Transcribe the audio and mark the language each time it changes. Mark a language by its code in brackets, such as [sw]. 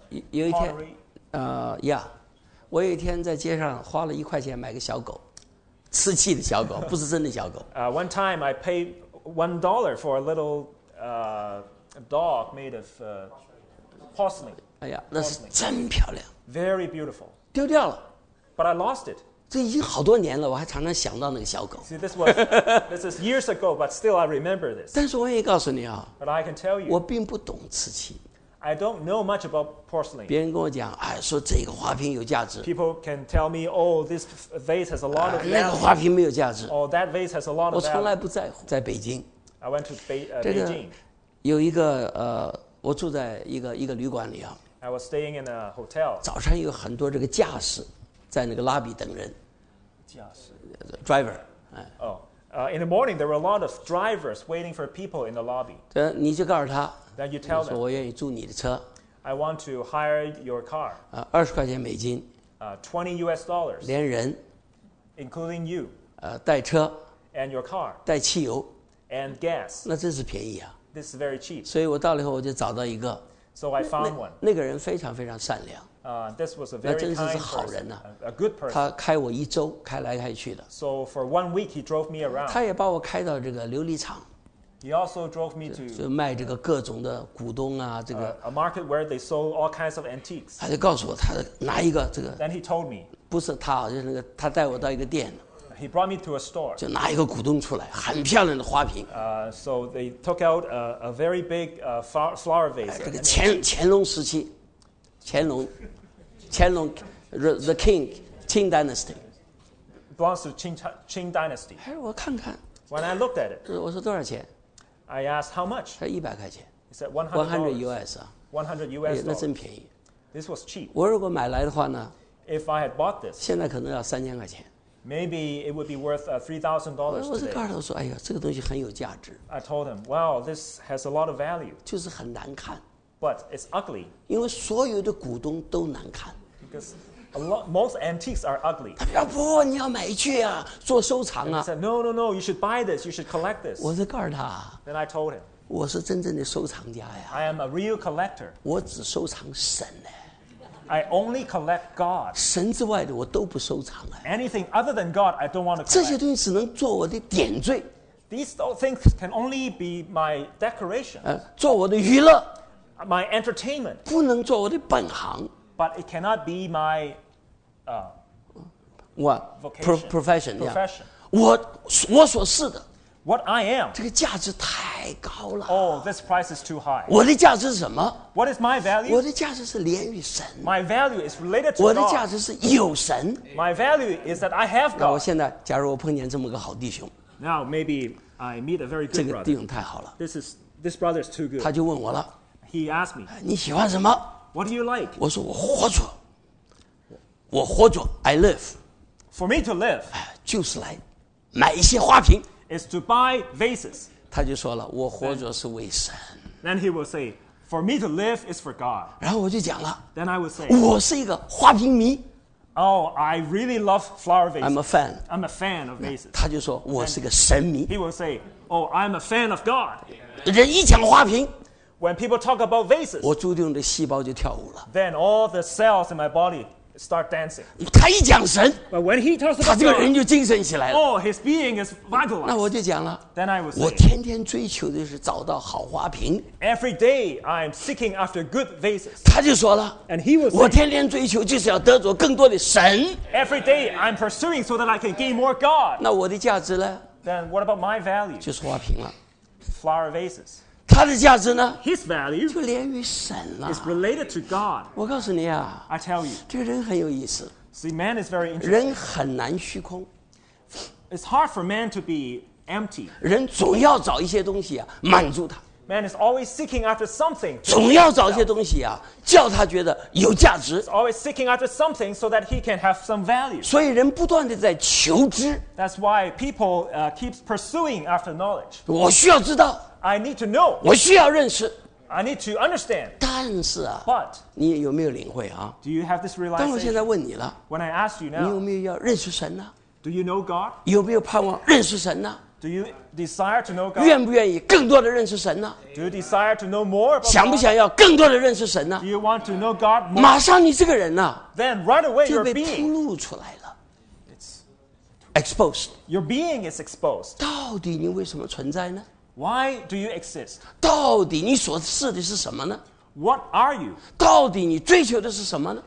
[zh] 有一天，我有一天在街上花了一块钱买个小狗，瓷器的小狗，不是真的小狗。 [en] One time I paid $1 for a little dog made of porcelain. [zh] 哎呀，那是真漂亮。 [en] Very beautiful. [zh] 丢掉了。 [en] But I lost it. [zh] 这已经好多年了，我还常常想到那个小狗。 [en] See, this is years ago, but still I remember this. [zh] 但是我也告诉你啊， [en] but I can tell you, [zh] 我并不懂瓷器。 [en] I don't know much about porcelain. [zh] 别人跟我讲，哎，说这个花瓶有价值。 [en] People can tell me, oh, this vase has a lot of value. [zh] 那个花瓶没有价值。 [en] Oh, that vase has a lot of value. [zh] 我从来不在乎。在北京。 [en] I went to Beijing. 这个 [zh] 有一个我住在一个旅馆里啊。 [en] I was staying in a hotel. [zh] 早上有很多这个驾驶。在那个拉比等人，驾驶 [en] driver， 哎。 In the morning there were a lot of drivers waiting for people in the lobby。 [zh] 你就告诉他 [en] ，Then you tell them， [zh] 说我愿意租你的车。 [en] I want to hire your car。 [zh] $20。 [en] $20。 [zh] 连人 [en] ，including you。 [zh] 带车 [en] ，and your car。 [zh] 带汽油 [en] ，and gas。 [zh] 那真是便宜啊 [en] ！This is very cheap。 [zh] 所以我到了以后我就找到一个 [en] ，So I found one。 [zh] 那个人非常非常善良。 [en] This was a very kind person, [zh] 那真的是好人呢、啊。 [en] A good person. [zh] 他开我一周，开来开去的。 [en] So for one week he drove me around. [zh] 他也把我开到这个琉璃厂。 [en] He also drove me to. [zh] 就卖这个各种的古董啊，这个。 [en] A market where they sold all kinds of antiques. [zh] 他就告诉我，他拿一个这个。 [en] Then he told me. [zh] 不是他，就是那个他带我到一个店。 [en] He brought me to a store. [zh] 就拿一个古董出来，很漂亮的花瓶。 [en] So they took out a very big flower vase. [zh] 这个乾隆时期，乾隆 the king, Qing dynasty. [en] Belongs to Qing dynasty. [zh] 哎，我看看。 [en] When I looked at it. [zh] 我说多少钱？ [en] I asked how much. [zh] 他$100。 [en] He said $100 US. $100 US. 那真便宜。 This was cheap. [zh] 我如果买来的话呢？ [en] If I had bought this. [zh] 现在可能要$3,000。 [en] Maybe it would be worth $3,000 today. [zh] 我就告诉他说，哎呀，这个东西很有价值。 [en] I told him, wow, this has a lot of value. [zh] 就是很难看。 [en] But it's ugly. [zh] 因为所有的古董都难看。 [en] Because a lot, most antiques are ugly. [zh] 他说不，你要买去啊，做收藏啊。 [en] And he said, no, you should buy this, you should collect this. [zh] 我就告诉他。 [en] Then I told him. [zh] 我是真正的收藏家呀。 [en] I am a real collector. [zh] 我只收藏神呢。 [en] I only collect God. [zh] 神之外的我都不收藏啊。 [en] Anything other than God, I don't want to [zh] collect. 这些东西只能做我的点缀。 [en] These things can only be my decoration. [zh] 做我的娱乐。 [en] My entertainment. [zh] 不能做我的本行。 [en] But it cannot be my, what vocation, profession? Profession.、 [zh] Yeah. 我所是的。 [en] What I am. [zh] 这个价值太高了。 [en] Oh, this price is too high. [zh] 我的价值是什么 [en] ？What is my value? [zh] 我的价值是连于神。 [en] My value is related to God. [zh] 我的价值是有神。 [en] My value is that I have God. [zh] 那我现在，假如我碰见这么个好弟兄。 [en] Now maybe I meet a very good brother. [zh] 这个弟兄太好了。 [en] This brother is too good. [zh] 他就问我了。 [en] He asked me, [zh] 你喜欢什么 [en] ？What do you like？ [zh] 我说我活着，我活着 ， I live。 [en] For me to live， [zh] 就是来买一些花瓶。 [en] Is to buy vases。 [zh] 他就说了，我活着是为神。 [en] Then he will say, for me to live is for God。 [zh] 然后我就讲了 [en] ，Then I will say， [zh] 我是一个花瓶迷。 [en] Oh, I really love flower vases. I'm a fan. I'm a fan of vases. [zh] 他就说我是个神迷。 [en] He will say, oh, I'm a fan of God。 [zh] 人一讲花瓶。 [en] When people talk about vases, [zh] 我注定的细胞就跳舞了。 [en] Then all the cells in my body start dancing. [zh] 他一讲神， [en] but when he talks about [zh] God, 他这个人就精神起来了。 [en] Oh, his being is vitalized. [zh] 那我就讲了。 [en] Then I was. [zh] 我天天追求的是找到好花瓶。 [en] Every day I'm seeking after good vases. [zh] 他就说了。 [en] And he was. [zh] 我天天追求就是要得着更多的神。 [en] Every day I'm pursuing so that I can gain more God. [zh] 那我的价值呢？ [en] Then what about my value? [zh] 就是花瓶了。 [en] Flower vases. [zh] 他的价值呢？ [en] His value [zh] 就连于神了。 [en] Is related to God. [zh] 我告诉你啊， [en] I tell you, [zh] 这个人很有意思。 [en] See, man is very interesting. [zh] 人很难虚空。 [en] It's hard for man to be empty. [zh] 人总要找一些东西啊，满足他。 [en] Man is always seeking after something. [zh] 总要找一些东西啊，叫他觉得有价值。 [en] He's always seeking after something so that he can have some value. [zh] 所以人不断地在求知。 [en] That's why people keep pursuing after knowledge. [zh] 我需要知道。 [en] I need to know. [zh] 我需要认识。 [en] I need to understand. [zh] 但是啊 [en] ，But [zh] 你有没有领会啊 [en] ？Do you have this realization? [zh] 但我现在问你了 [en] ，When I ask you now, [zh] 你有没有要认识神呢 [en] ？Do you know God? [zh] 有没有盼望认识神呢 [en] ？Do you desire to know God? [zh] 愿不愿意更多的认识神呢 [en] ？Do you desire to know more about God? [zh] 想不想要更多的认识神呢 [en] ？Do you want to know God more? [zh] 马上你这个人呢 [en] ？Then right away your being [zh] 就被铺露出来了 ，It's exposed. [en] Your being is exposed. [zh] 到底你为什么存在呢？ [en] Why do you exist? [zh] 到底你所示的是什么呢 [en] ？What are you? [zh] 到底你追求的是什么呢